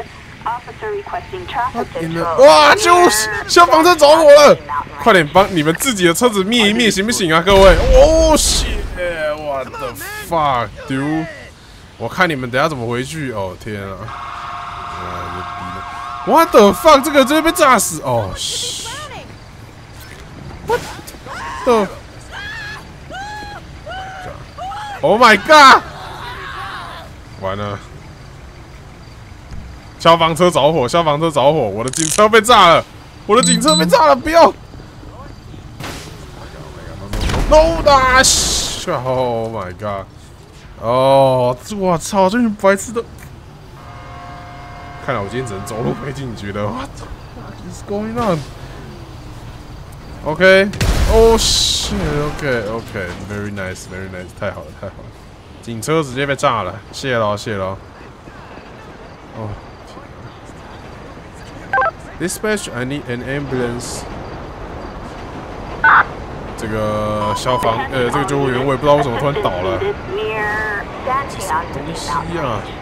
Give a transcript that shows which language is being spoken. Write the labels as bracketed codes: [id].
[en] Attention all units, officer requesting traffic control。 [zh] 哇，就是消防车着火了，快点帮你们自己的车子灭一灭，行不行啊，各位？ [en] 哦，行。 What the fuck, dude？ [zh] 我看你们等下怎么回去。哦天啊！啊，又逼了。 What the fuck？这个直接被炸死。 [en] 哦 ，What the？ Oh my god！完了！ [zh] 消防车着火，消防车着火，我的警车被炸了，我的警车被炸了，不要！ No dash！ Oh my god！哦，我操，这群白痴的！看来我今天只能走路飞进去了。 [en] What the fuck is going on？OK，、okay. Oh shit！OK，OK，Very nice，Very nice，太好了，太好了！ [zh] 警车直接被炸了，谢了，谢了。 [en] 哦 ，Dispatch，I need an ambulance。 [zh] 这个消防，这个救护员，我也不知道为什么突然倒了。什么东西啊？